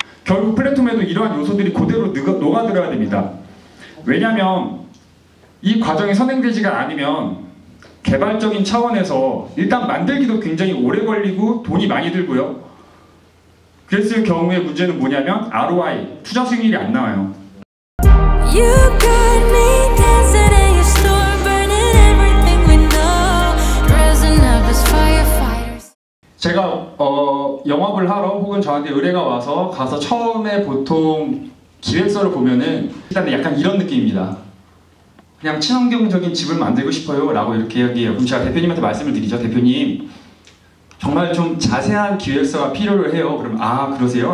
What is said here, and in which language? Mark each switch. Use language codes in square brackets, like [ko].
[ko] 결국 플랫폼에도 이러한 요소들이 그대로 녹아들어야 됩니다. 왜냐하면 이 과정이 선행되지가 않으면 개발적인 차원에서 일단 만들기도 굉장히 오래 걸리고 돈이 많이 들고요. 그랬을 경우에 문제는 뭐냐면 ROI, 투자 수익률이 안 나와요. [en] You got me dancing in your storm, burning everything we know, rising up as firefighters. [ko] 제가 영업을 하러 혹은 저한테 의뢰가 와서 가서 처음에 보통 기획서를 보면은 일단 약간 이런 느낌입니다. 그냥 친환경적인 집을 만들고 싶어요 라고 이렇게 얘기해요. 그럼 제가 대표님한테 말씀을 드리죠. 대표님, 정말 좀 자세한 기획서가 필요를 해요. 그럼 아 그러세요?